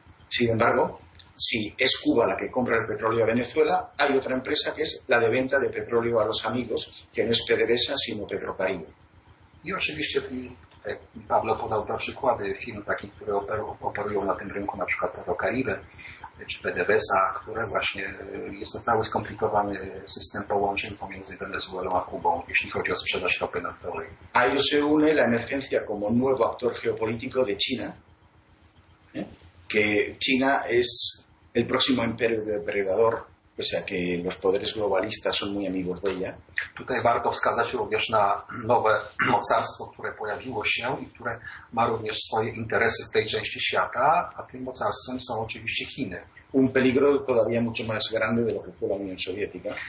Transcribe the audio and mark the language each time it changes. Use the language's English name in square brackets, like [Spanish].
[Spanish] Sin embargo, si es Cuba la que compra el petróleo a Venezuela, hay otra empresa que es la de venta de petróleo a los amigos, que no es PDVSA, sino Petrocaribe. [Polish] Y, oczywiście, Pablo podał dwa przykłady firm takich, które operują na tym rynku, na przykład Petrocaribe czy PDVSA, które właśnie jest to cały skomplikowany system połączeń pomiędzy Wenezuelą a Kubą, jeśli chodzi o sprzedaż ropy naftowej. [Spanish] A ello se une la emergencia como nuevo actor geopolítico de China, que China es el próximo imperio depredador, o sea que los poderes globalistas son muy amigos de ella. [Polish] Tutaj warto wskazać również na nowe mocarstwo, które pojawiło się i które ma również swoje interesy w tej części świata, a tym mocarstwem są oczywiście Chiny. [Spanish] Un peligro todavía mucho más grande de lo que fue la Unión Soviética.